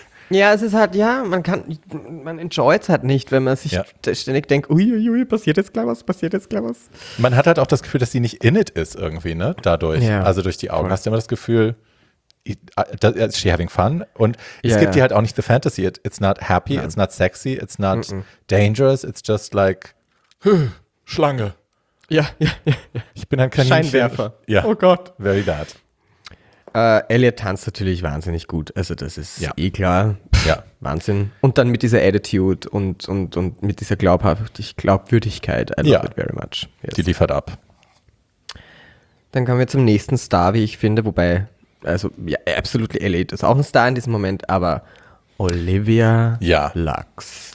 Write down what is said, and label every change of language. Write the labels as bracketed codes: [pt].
[de] Ja, es ist halt, man enjoyt es halt nicht, wenn man sich ständig denkt, uiuiui, passiert jetzt gleich was. Man hat halt auch das Gefühl, dass sie nicht in it ist irgendwie, ne? Dadurch. Ja. Also durch die Augen hast du immer das Gefühl, [en] is she having fun? [de] Und es gibt die halt auch nicht [en] the fantasy. It's not happy, it's not sexy, it's not dangerous, it's just like Schlange. [de] Ja. Ich bin ein Kaninchen. Scheinwerfer. Ja. Oh Gott. [en] Very bad. [de] Elliot tanzt natürlich wahnsinnig gut. Also das ist klar. Ja. Wahnsinn. Und dann mit dieser Attitude und mit dieser Glaubwürdigkeit. [en] I love it very much. [de] Yes. Die liefert ab. Dann kommen wir zum nächsten Star, wie ich finde, wobei also, ja, absolut, Elliot ist auch ein Star in diesem Moment, aber Olivia Lux.